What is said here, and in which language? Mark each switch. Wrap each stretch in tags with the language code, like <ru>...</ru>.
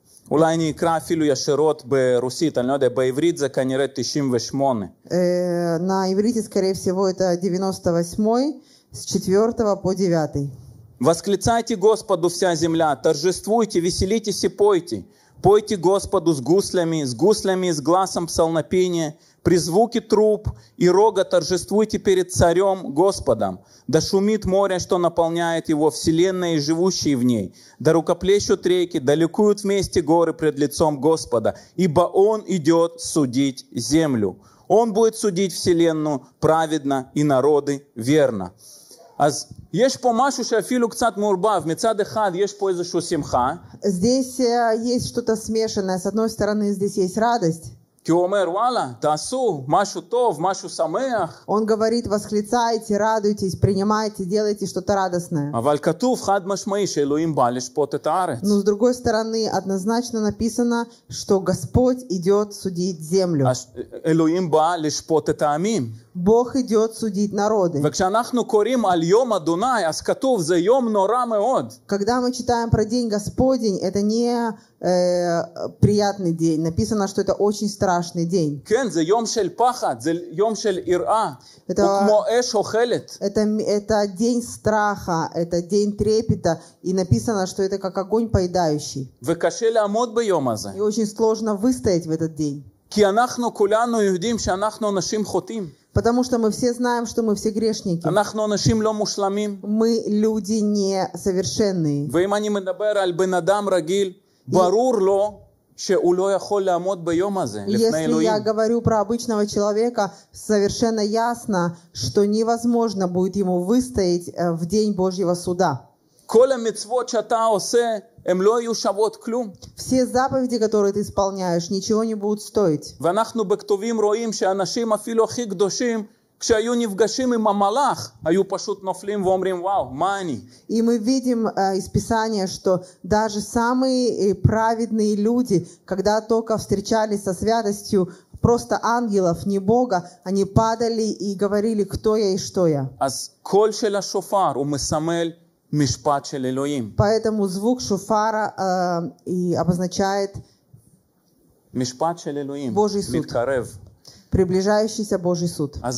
<he>אולי אני אקרא אפילו ישירות ברוסית, אני לא יודע, בעברית זה כנראה 98.</he> <ru>На иврите, скорее всего, это 98, с 4 по 9. Восклицайте Господу вся земля, торжествуйте, веселитесь и пойте. Пойте Господу с гуслями, с гласом псалмопения, при звуке труб и рога торжествуйте перед царем Господом. Да шумит море, что наполняет его, вселенная и живущие в ней. Да рукоплещут реки, да ликуют вместе горы пред лицом Господа. Ибо Он идет судить землю. Он будет судить вселенную праведно и народы верно.</ru> <he>אז יש פה משהו שאפילו קצת מורבב. מצד אחד יש פה איזושהי שמחה.</he> <ru>Здесь есть что-то смешанное. С одной стороны здесь есть радость.</ru> <he>כי הוא אומר, וואלה, תעשו משהו טוב, משהו שמח.</he> <ru>Он говорит, восклицайте, радуйтесь, принимайте, делайте что-то радостное.</ru> <he>אבל כתוב חד משמעי שאלוהים בא לשפוט את הארץ.</he> <ru>Но с другой стороны, однозначно написано, что Господь идет судить землю.</ru> <he>אז אלוהים בא לשפוט את העמים.</he> <ru>Бог идет судить народы.</ru> <he>וכשאנחנו קוראים על יום אדוני, אז כתוב, זה יום נורא מאוד.</he> <ru>Когда мы читаем про день Господень, это не приятный день. Написано, что это очень страшный день.</ru> <he>כן, זה יום של פחד, זה יום של עירה.</he> <ru>Это,</ru> <he>וכמו אש אוכלת.</he> <ru>Это день страха, это день трепета, и написано, что это как огонь поедающий.</ru> <he>וקשה לעמוד ביום הזה.</he> <ru>И очень сложно выстоять в этот день.</ru> <he>כי אנחנו כולנו יודעים שאנחנו אנשים חוטאים.</he> <ru>Потому что мы все знаем, что мы все грешники.</ru> <he>אנחנו אנשים לא מושלמים.</he> <ru>Мы люди несовершенные.</ru> <he>ואם אני מדבר על בן אדם רגיל, ברור לו שהוא לא יכול לעמוד ביום הזה, לפני</he> <ru>Если</ru> <he>אלוהים.</he> <ru>Я говорю про обычного человека, совершенно ясно, что невозможно будет ему выстоять в день Божьего суда.</ru> <he>כל המצוות שאתה עושה, הם לא יהיו שוות כלום.</he> <ru>Все заповеди, которые ты исполняешь, ничего не будут стоить.</ru> <he>ואנחנו בכתובים רואים שאנשים אפילו הכי קדושים, כשהיו נפגשים עם המלאך, היו פשוט נופלים ואומרים, וואו, מה אני?</he> <ru>И мы видим из Писания, что даже самые праведные люди, когда только встречались со святостью просто ангелов, не Бога, они падали и говорили, кто я и что я.</ru> <he>אז קול של השופר ומסמל משפט של אלוהים.</he> <ru>Поэтому звук шофара и обозначает</ru> <he>משפט של אלוהים.</he> <ru>Божий суд.</ru> <he>מתקרב.</he> <ru>Приближающийся Божий суд.</ru>